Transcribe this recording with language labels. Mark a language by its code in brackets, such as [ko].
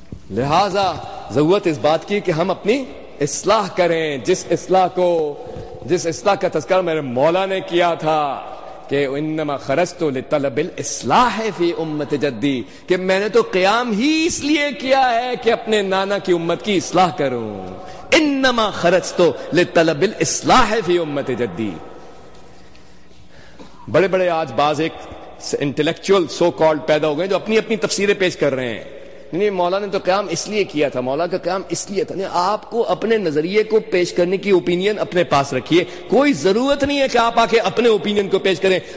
[ur] لہذا ضرورت اس بات کی کہ ہم اپنی اصلاح کریں, جس اصلاح کا تذکرہ میرے مولا نے کیا تھا کہ [ar] انما خرجت لطلب الاصلاح فی امت جدی, [ur] کہ میں نے تو قیام ہی اس لیے کیا ہے کہ اپنے نانا کی امت کی اصلاح کروں. [ar] انما خرجت لطلب الاصلاح فی امت جدی. [ur] بڑے بڑے آج باز ایک [en] intellectual so called [ur] پیدا ہو گئے جو اپنی اپنی تفسیریں پیش کر رہے ہیں, نہیں مولا نے تو قیام اس لیے کیا تھا, مولا کا قیام اس لیے تھا. نہیں, آپ کو اپنے نظریے کو پیش کرنے کی اوپینین اپنے پاس رکھیے, کوئی ضرورت نہیں ہے کہ آپ آ کے اپنے اوپینین کو پیش کریں.